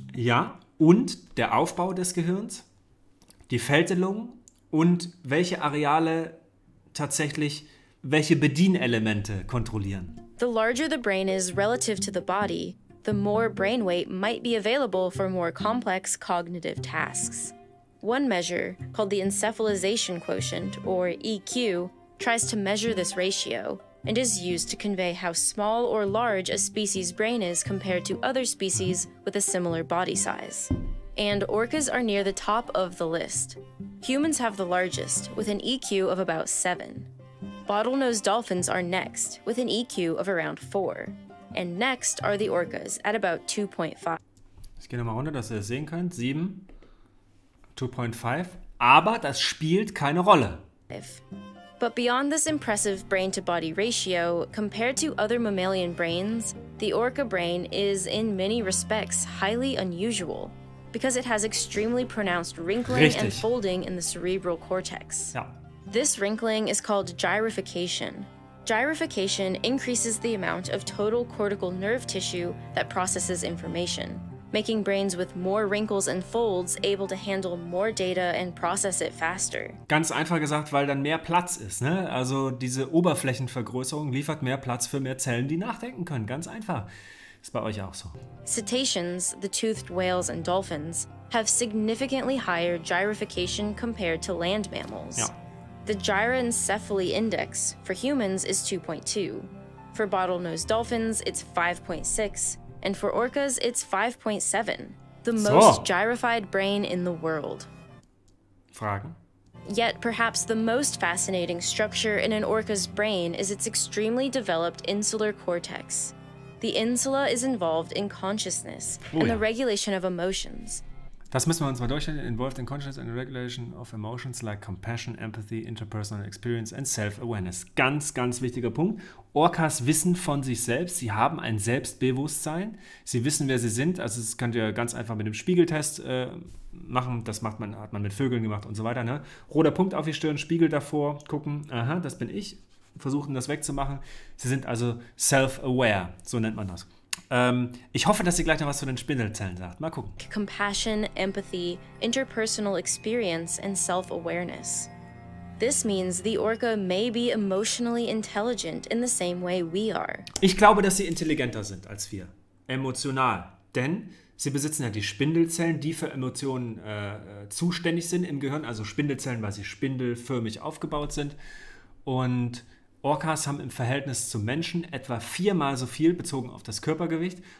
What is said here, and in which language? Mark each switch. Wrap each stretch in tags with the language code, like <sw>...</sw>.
<de>Ja, und der Aufbau des Gehirns, die Fältelung und welche Areale tatsächlich welche Bedienelemente kontrollieren.</de> <en>The larger the brain is relative to the body, the more brain weight might be available for more complex cognitive tasks. One measure, called the encephalization quotient, or EQ, tries to measure this ratio and is used to convey how small or large a species' brain is compared to other species with a similar body size. And orcas are near the top of the list. Humans have the largest, with an EQ of about 7. Bottlenose dolphins are next, with an EQ of around 4. And next are the orcas, at about 2.5.</en> <de>Ich gehe nochmal runter, dass ihr das sehen könnt. 7, 2.5. Aber das spielt keine Rolle.</de> <en>But beyond this impressive brain-to-body ratio, compared to other mammalian brains, the orca brain is, in many respects, highly unusual, because it has extremely pronounced wrinkling.</en> <de>Richtig.</de> <en>And folding in the cerebral cortex.</en> <de>Ja.</de> <en>This wrinkling is called gyrification. Gyrification increases the amount of total cortical nerve tissue that processes information, making brains with more wrinkles and folds able to handle more data and process it faster.</en> <de>Ganz einfach gesagt, weil dann mehr Platz ist, ne? Also diese Oberflächenvergrößerung liefert mehr Platz für mehr Zellen, die nachdenken können. Ganz einfach. Ist bei euch auch so.</de> <en>Cetaceans, the toothed whales and dolphins, have significantly higher gyrification compared to land mammals.</en> <de>Ja.</de> <en>The gyroencephaly index for humans is 2.2. For bottlenose dolphins, it's 5.6. And for orcas, it's 5.7. The most gyrified brain in the world.</en> <de>Fragen?</de> <en>Yet perhaps the most fascinating structure in an orca's brain is its extremely developed insular cortex. The insula is involved in consciousness and the regulation of emotions.</en> <de>Das müssen wir uns mal durchstellen.</de> <en>Involved in consciousness and regulation of emotions like compassion, empathy, interpersonal experience and self-awareness.</en> <de>Ganz, ganz wichtiger Punkt. Orcas wissen von sich selbst. Sie haben ein Selbstbewusstsein. Sie wissen, wer sie sind. Also das könnt ihr ganz einfach mit dem Spiegeltest machen. Das macht man, hat man mit Vögeln gemacht und so weiter. Ne? Roter Punkt auf die Stirn, Spiegel davor, gucken. Aha, das bin ich. Versuchen, das wegzumachen. Sie sind also self-aware. So nennt man das. Ich hoffe, dass sie gleich noch was zu den Spindelzellen sagt. Mal gucken.</de> <en>Compassion, empathy, interpersonal experience and self-awareness. This means the orca may be emotionally intelligent in the same way we are.</en> <de>Ich glaube, dass sie intelligenter sind als wir. Emotional. Denn sie besitzen ja die Spindelzellen, die für Emotionen zuständig sind im Gehirn. Also Spindelzellen, weil sie spindelförmig aufgebaut sind. Und Orcas haben im Verhältnis zu Menschen etwa 4-mal so viel bezogen auf das Körpergewicht.</de>